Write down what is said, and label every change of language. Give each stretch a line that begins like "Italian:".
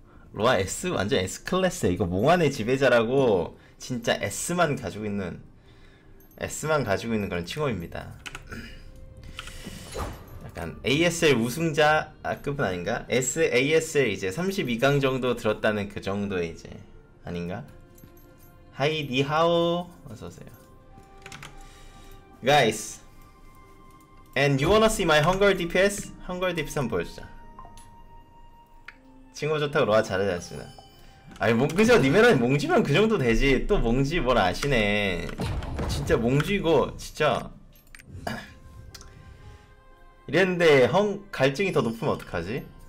Korean: 로아 S 완전 S 클래스. 이거 몽환의 지배자라고 진짜 S만 가지고 있는 S만 가지고 있는 그런 칭호입니다. 약간 ASL 우승자 급은 아닌가? S ASL 이제 32강 정도 들었다는 그 정도의 이제 아닌가? 하이 니하오 어서 오세요.
English: Guys, and you wanna see my hunger DPS?
Korean: Hunger DPS 한번 보여주자. 친구 좋다고 로아 잘하셨습니다. 아니 뭐 그저 니메라 몽지면 그 정도 되지. 또 몽지 뭘 아시네. 진짜 몽지고 진짜 이랬는데 헝 갈증이 더 높으면 어떡하지?